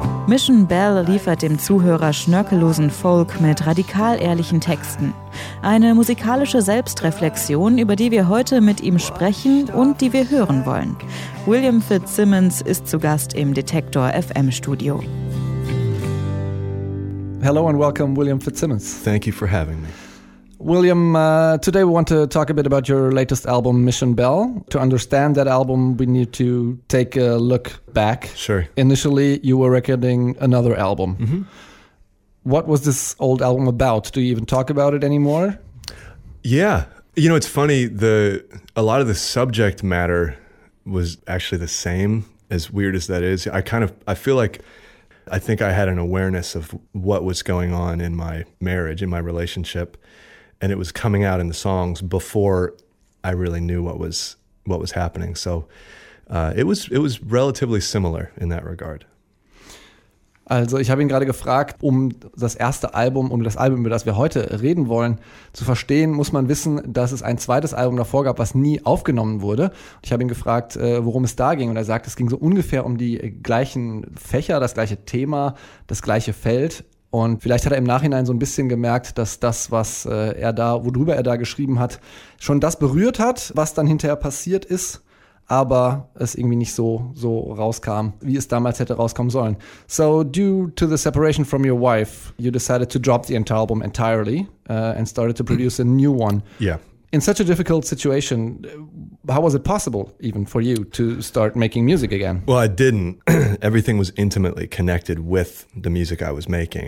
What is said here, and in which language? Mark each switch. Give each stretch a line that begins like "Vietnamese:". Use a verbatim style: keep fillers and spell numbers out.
German: Mission Bell liefert dem Zuhörer schnörkellosen Folk mit radikal ehrlichen Texten. Eine musikalische Selbstreflexion, über die wir heute mit ihm sprechen und die wir hören wollen. William Fitzsimmons ist zu Gast im Detektor F M Studio.
English: Hello and welcome, William Fitzsimmons. Thank you for having me. William, uh, today we want to talk a bit about your latest album, Mission Bell. To understand that album, we need to take a look back. Sure. Initially, you were recording another album. Mm-hmm. What was this old album about? Do you even talk about it anymore? Yeah. You know, it's funny, the a lot of the subject matter was actually the same, as weird as that is. I kind of, I feel like... I think I had an awareness of what was going on in my marriage, in my relationship, and it was coming out in the songs before I really knew what was what was happening. So uh, it was it was relatively similar in that regard.
German: Also, ich habe ihn gerade gefragt, um das erste Album, um das Album, über das wir heute reden wollen, zu verstehen, muss man wissen, dass es ein zweites Album davor gab, was nie aufgenommen wurde. Und ich habe ihn gefragt, worum es da ging. Und er sagt, es ging so ungefähr um die gleichen Fächer, das gleiche Thema, das gleiche Feld. Und vielleicht hat er im Nachhinein so ein bisschen gemerkt, dass das, was er da, worüber er da geschrieben hat, schon das berührt hat, was dann hinterher passiert ist. Aber es irgendwie nicht so, so rauskam, wie es damals hätte rauskommen sollen.
English: So, due to the separation from your wife, you decided to drop the entire album entirely uh, and started to produce a new one. Yeah. In such a difficult situation, how was it possible even for you to start making music again? Well, I didn't. Everything was intimately connected with the music I was making.